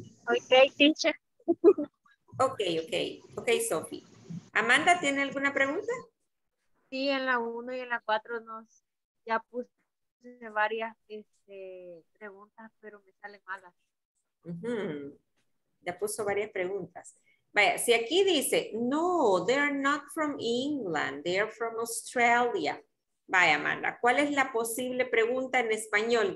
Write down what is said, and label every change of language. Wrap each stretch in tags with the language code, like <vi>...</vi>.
<en>Ok, teacher.</en> <es>Ok, Sofi. ¿Amanda tiene alguna pregunta? Sí, en la 1 y en la 4 nos ya puse varias preguntas, pero me salen malas. Uh-huh. Ya puso varias preguntas. Vaya, si aquí dice, no,</es> <en>they are not from England, they are from Australia.</en> <es>Vaya, Amanda, ¿cuál es la posible pregunta en español?</es>